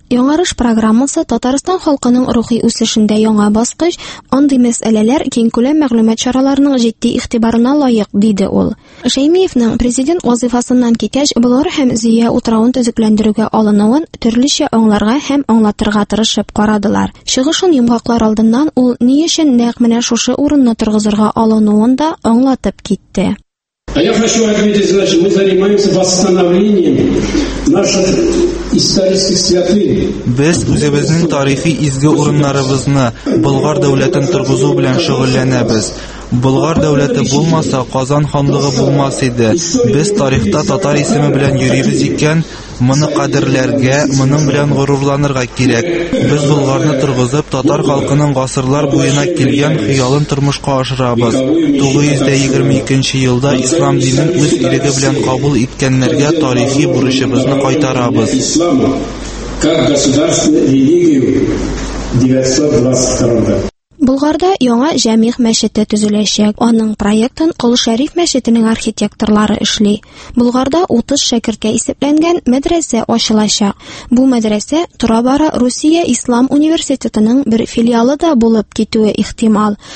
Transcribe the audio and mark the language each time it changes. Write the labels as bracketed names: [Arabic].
[Tatar] Яңарыш программасы Татарстан халкының рухи үсешендә яңа баскыч, андый мәсьәләләр киң күләм мәгълүмат чараларының җитди игътибарына лаек, диде ул. Шәймиевнең президент вазифасыннан китәч Болгар һәм Зия утрауын төзекләндерүгә алынуын төрлечә аңларга һәм аңлатырга тырышып карадылар. Чыгышын йомгаклар алдыннан ул ни өчен нәкъ менә шушы урынны торгызырга алынуын да аңлатып китте. [Russian] А я хочу отметить, значит, мы занимаемся восстановлением наших исторических святынь. [Tatar] Без үзебезнең тарихи изге урыннарыбызны Болгар дәүләтен торгызу белән шөгыльләнәбез. Болгар дәүләте булмаса, Казан ханлыгы булмас иде. Без тарихта татар исеме белән йөрибез икән, моны кадерләргә, моның белән горурланырга кирәк. Без Болгарны торгызып, татар халкының гасырлар буена килгән хыялын тормышка ашырабыз. 922 елда ислам динен үз иреге белән кабул иткәннәргә тарихи бурычыбызны кайтарабыз. [Russian] Ислам, как государственная религия, 922-да. [Tatar] Болгарда яңа Җәмиг мәчете төзеләчәк. Аның проектын Кол Шәриф мәчетенең архитекторлары эшли. Болгарда 30 шәкерткә исәпләнгән мәдрәсә ачылачак. Бу мәдрәсә тора-бара Русия Ислам университетының бер филиалы да булып китүе ихтимал.